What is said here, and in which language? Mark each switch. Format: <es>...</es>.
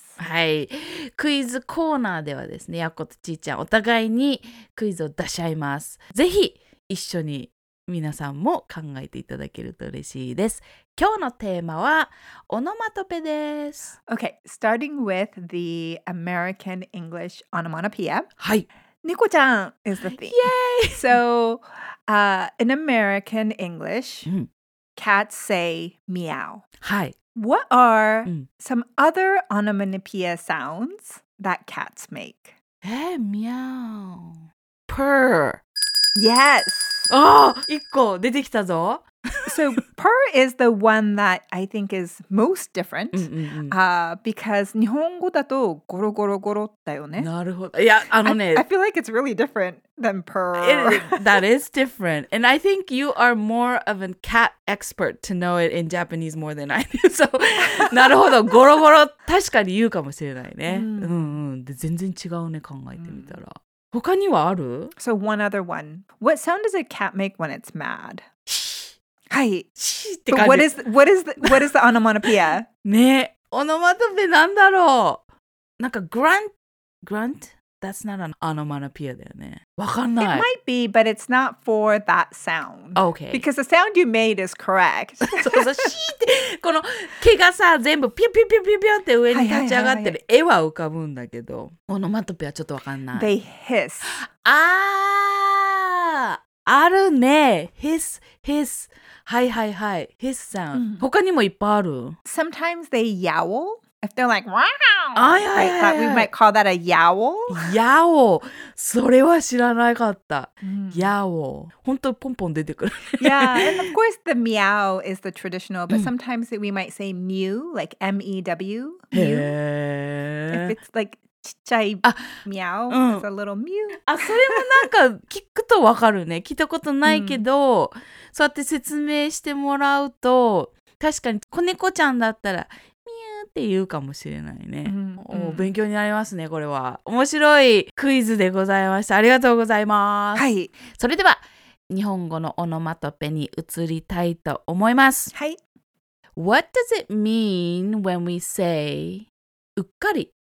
<ja>はい。クイズコーナーではですね、ヤコとちーちゃん、お互いにクイズを出し合います。ぜひ一緒に皆さんも考えていただけると嬉しいです。今日のテーマはオノマトペです。</ja> <en>Okay, starting with the American English onomatopoeia.</en> <ja>はい。</ja> <en>猫ちゃん is the theme. Yay! So, in American English, cats say meow. はい。 What are some other onomatopoeia sounds that cats make? Meow. Purr. Yes!</en> <ja>Oh, 一個出てきたぞ。</ja> <en>So purr is the one that I think is most different because</en> <ja>日本語だとゴロゴロゴロだよね。なるほど。いや、あのね。</ja> <en>I feel like it's really different than purr. That is different. And I think you are more of a cat expert to know it in Japanese more than I do.</en> <ja>So, なるほど。ゴロゴロ確かに言うかもしれないね。うんうん。全然違うね、考えてみたら。他にはある?</ja> <en>So one other one. What sound does a cat make when it's mad? Hi. What is the onomatopoeia?</en> <ja>ね、onomatopoeia なんだろう?なんか grunt? Grunt?</ja> <en>That's not an onomatopoeia</en> <ja>だよね。わかんない。</ja> <en>It might be, but it's not for that sound. Okay. Because the sound you made is correct.</en> <ja>そうそう、シーって、この毛がさ、全部ピュピュピュピュピュって上に立ち上がってる絵は浮かぶんだけど、オノマトペはちょっとわかんない。</ja> <en>They hiss.</en> <ja>あー、あるね。</ja> <en>Hiss, hiss.</en> <ja>はいはいはい。</ja> <en>Hiss sound.、</en> <ja>Mm. 他にもいっぱいある。</ja> <en>Sometimes they yowl. If they're like, wow, ah, yeah, yeah, yeah. We might call that a yowl.</en> <ja>Yowl. それは知らなかった。Yowl. 本当にポンポン出てくる。</ja> <en>Yeah, and of course the meow is the traditional, but sometimes we might say mew, like M-E-W. Mew. If it's like ちっちゃい meow, it's a little mew.</en> <ja>あ、それもなんか聞くとわかるね。聞いたことないけど、そうやって説明してもらうと、確かに子猫ちゃんだったら、って言うかもしれないね。うん、お勉強になりますね、これは。面白いクイズでございました。ありがとうございます。はい。それでは、日本語のオノマトペに移りたいと思います。はい。</ja> <en>What does it mean when we say, うっかり?</en>